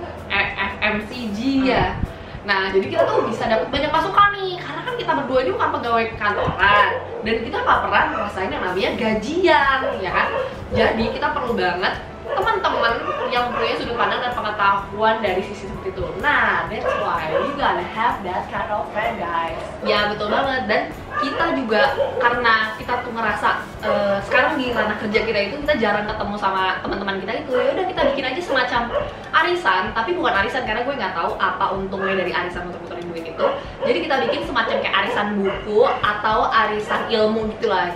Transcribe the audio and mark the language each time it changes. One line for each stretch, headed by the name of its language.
Indonesian: FMCG ya. Nah, jadi kita tuh bisa dapat banyak masukan nih, karena kan kita berdua ini bukan pegawai kantoran dan kita nggak pernah ngerasain yang namanya gajian, ya kan? Jadi kita perlu banget teman-teman yang punya sudut pandang dan pengetahuan dari sisi seperti itu.
English: Nah, that's why you gotta have that kind of friend, guys.
Indonesian: Ya, betul banget. Dan kita juga, karena kita tuh ngerasa sekarang di ranah kerja kita itu kita jarang ketemu sama teman-teman kita itu, ya udah kita bikin aja semacam arisan, tapi bukan arisan karena gue nggak tahu apa untungnya dari arisan untuk muterin duit itu. Jadi kita bikin semacam kayak arisan buku atau arisan ilmu gitulah.